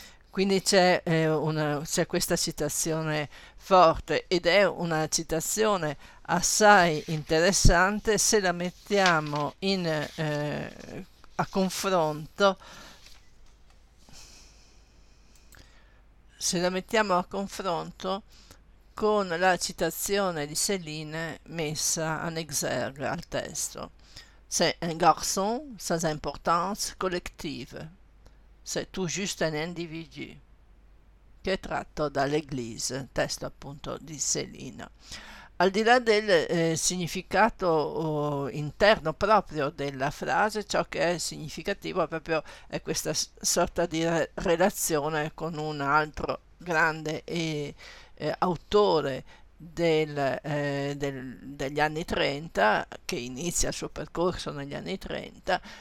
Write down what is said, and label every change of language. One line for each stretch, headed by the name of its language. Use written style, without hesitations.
Italian: Quindi c'è questa citazione forte, ed è una citazione assai interessante se la mettiamo a confronto, con la citazione di Céline messa en exergue al testo.
French: C'est un garçon sans importance collective. C'est tout juste un individu.
Italian: Che è tratto dall'Église, testo appunto di Céline. Al di là del significato interno proprio della frase, ciò che è significativo è questa sorta di relazione con un altro grande autore degli anni 30, che inizia il suo percorso negli anni 30,